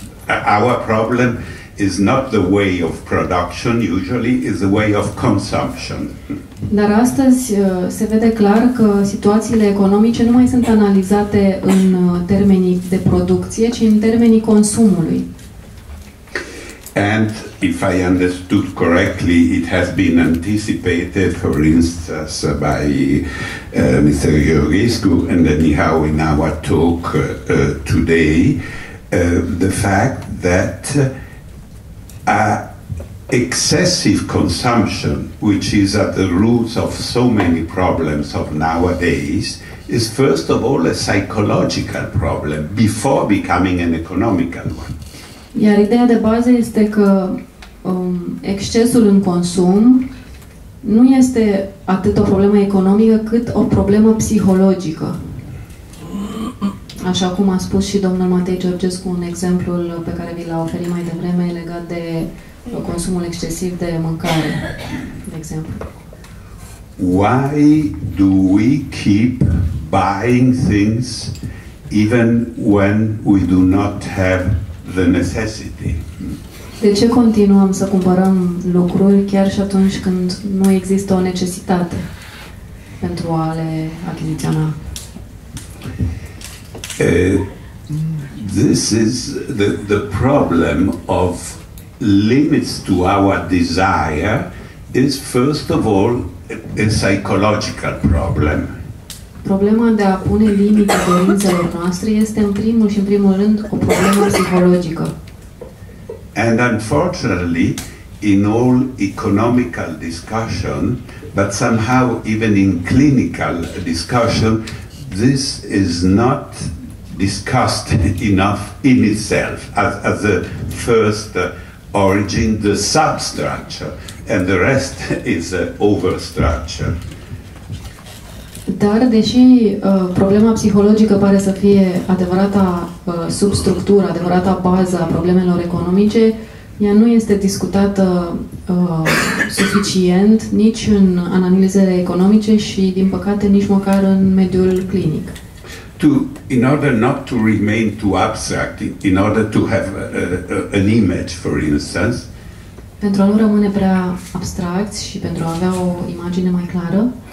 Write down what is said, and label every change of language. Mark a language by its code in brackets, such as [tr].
[en] Our problem is not the way of production, usually is the way of consumption. [ro] Dar astăzi se vede clar că situațiile economice nu mai sunt analizate în termenii de producție, ci în termenii consumului. [en] And if I understood correctly, it has been anticipated, for instance, by Mr. Georgescu, and anyhow in our talk today, the fact that excessive consumption, which is at the roots of so many problems of nowadays, is first of all a psychological problem before becoming an economical one. [ro] Iar ideea de bază este că excesul în consum nu este atât o problemă economică, cât o problemă psihologică. Așa cum a spus și domnul Matei Georgescu un exemplu pe care vi l-a oferit mai devreme legat de consumul excesiv de mâncare, de exemplu. [en] Why do we keep buying things even when we do not have the necessity? [ro] De ce continuăm să cumpărăm lucruri chiar și atunci când nu există o necesitate pentru a le achiziționa? [en] This is the problem of limits to our desire is first of all a psychological problem. [ro] Problema de a pune limite dorințelor noastre este în primul și în primul rând o problemă psihologică. [en] And unfortunately, in all economical discussion, but somehow even in clinical discussion, this is not discussed enough in itself as the first origin, the substructure, and the rest is overstructure. [ro] Dar deși problema psihologică pare să fie adevărata substructură, adevărata bază a problemelor economice, ea nu este discutată suficient nici în analizele economice și din păcate nici măcar în mediul clinic. [en] In order not to remain too abstract, in order to have an image, for instance. [ro] Pentru a nu rămâne prea abstract și pentru a avea o imagine mai clară.